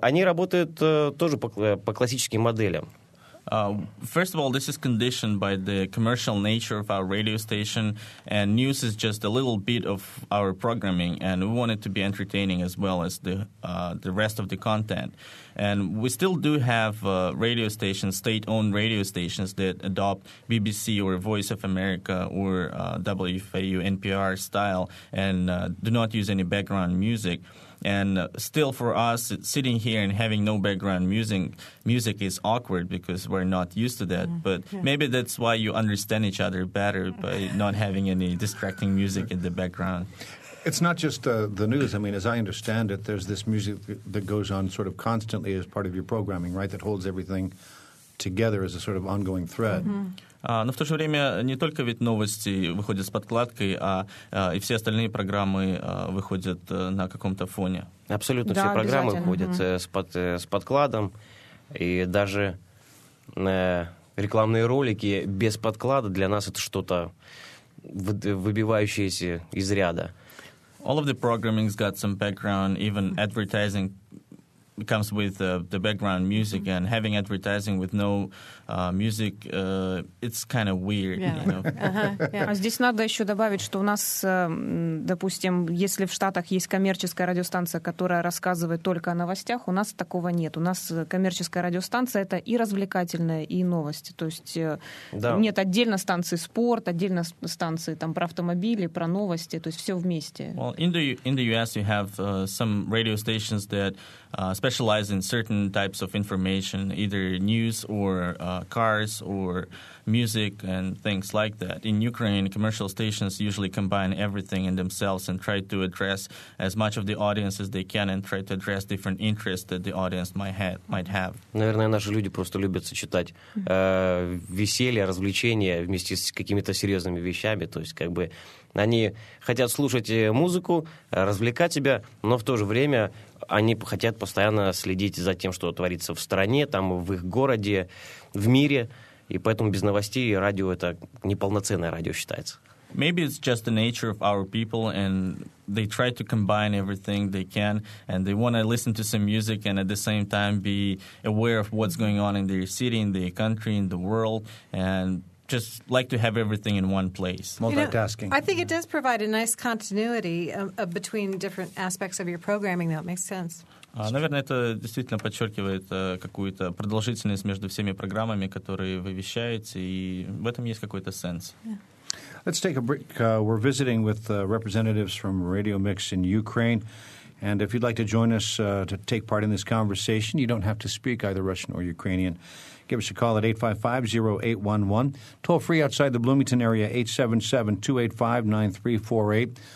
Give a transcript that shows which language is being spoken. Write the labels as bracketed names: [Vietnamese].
[Russian] Они работают тоже по классическим моделям. [English] First of all, this is conditioned by the commercial nature of our radio station, and news is just a little bit of our programming, and we want it to be entertaining as well as the rest of the content. And we still do have radio stations, state-owned radio stations, that adopt BBC or Voice of America or WFAU NPR style and do not use any background music. And still for us, sitting here and having no background music is awkward because we're not used to that. Mm-hmm. But maybe that's why you understand each other better by not having any distracting music in the background. It's not just the news. I mean, as I understand it, there's this music that goes on sort of constantly as part of your programming, right, that holds everything together as a sort of ongoing thread. Mm-hmm. [Russian] Но в то же время не только ведь новости выходят с подкладкой, а и все остальные программы выходят на каком-то фоне. Абсолютно, да, все программы выходят с подкладом, и даже рекламные ролики без подклада для нас это что-то выбивающееся из ряда. [English] All of the programming's got some background, even advertising. It comes with the background music, and having advertising with no music, it's kind of weird. Yeah. You know? [Russian] А здесь надо еще добавить, что у нас, допустим, если в Штатах есть коммерческая радиостанция, которая рассказывает только о новостях, у нас такого нет. У нас коммерческая радиостанция — это и развлекательная, и новости. То есть нет отдельно станции спорт, отдельно станции там про автомобили, про новости, то есть все вместе. [English] Well, in the US, you have some radio stations that specialize in certain types of information, either news or cars or music and things like that. In Ukraine, commercial stations usually combine everything in themselves and try to address as much of the audience as they can and try to address different interests that the audience might have. [Russian] Наверное, наши люди просто любят сочетать веселье, развлечения вместе с какими-то серьезными вещами. То есть, как бы, они хотят слушать музыку, развлекать себя, но в то же время они хотят постоянно следить за тем, что творится в стране, там, в их городе, в мире. И поэтому без новостей радио — это неполноценное радио, считается. [English] Maybe it's just the nature of our people, and they try to combine everything they can, and they want to listen to some music and at the same time be aware of what's going on in their city, in their country, in the world, and just like to have everything in one place. Multitasking. I think it does provide a nice continuity between different aspects of your programming, though. It makes sense. [Russian] Наверное, это действительно подчеркивает какую-то продолжительность между всеми программами, которые вы вещаете, и в этом есть какой-то сенс. [English] Yeah. Let's take a break. We're visiting with representatives from Radio Mix in Ukraine. And if you'd like to join us to take part in this conversation, you don't have to speak either Russian or Ukrainian. Give us a call at 855-0811. Toll free outside the Bloomington area, 877-285-9348.